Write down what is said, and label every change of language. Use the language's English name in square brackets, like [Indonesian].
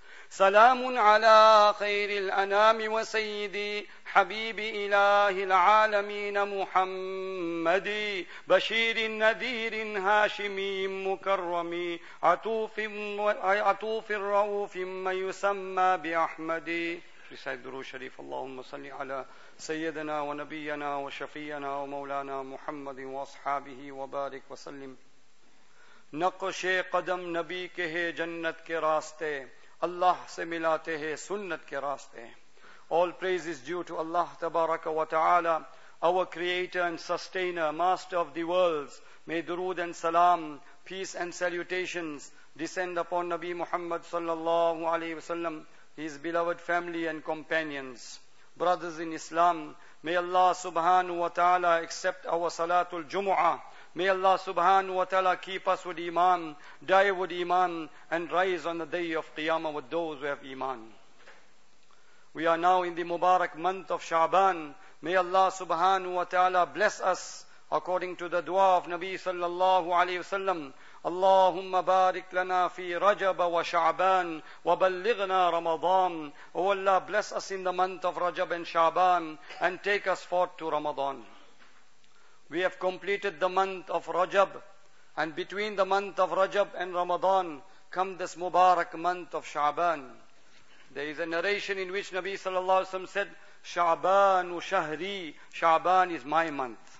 [Arabic] سلام على خير الأنام وسيدي حبيب إله العالمين محمد، بشير نذير هاشمي مكرم، عطوف الرؤوف ما يسمى بأحمد. رسالة دروس شريف. اللهم صل على سيدنا ونبينا وشفينا ومولانا محمد وأصحابه وبارك وسلم. [Urdu] نقش قدم نبی کے ہے جنت کے راستے، اللہ سے ملاتے ہیں سنت کے راستے. [English] All praise is due to Allah تبارک و تعالی, our creator and sustainer, master of the worlds. May درود and salam, peace and salutations descend upon نبی محمد صلی اللہ علیہ وسلم, his beloved family and companions. Brothers in Islam, may Allah subhanahu wa ta'ala accept our salatul jumu'ah. May Allah subhanahu wa ta'ala keep us with iman, die with iman, and rise on the day of qiyamah with those who have iman. We are now in the Mubarak month of Sha'ban. May Allah subhanahu wa ta'ala bless us according to the dua of Nabi sallallahu alayhi wa sallam. [Arabic] اللهم بارك لنا في رجب وشعبان وبلغنا رمضان. [English] Oh Allah, bless us in the month of Rajab and Shaban and take us forth to Ramadan. We have completed the month of Rajab, and between the month of Rajab and Ramadan come this Mubarak month of Shaban. There is a narration in which Nabi sallallahu alaihi wasallam said, Shaban wa shahri, Shaban is my month.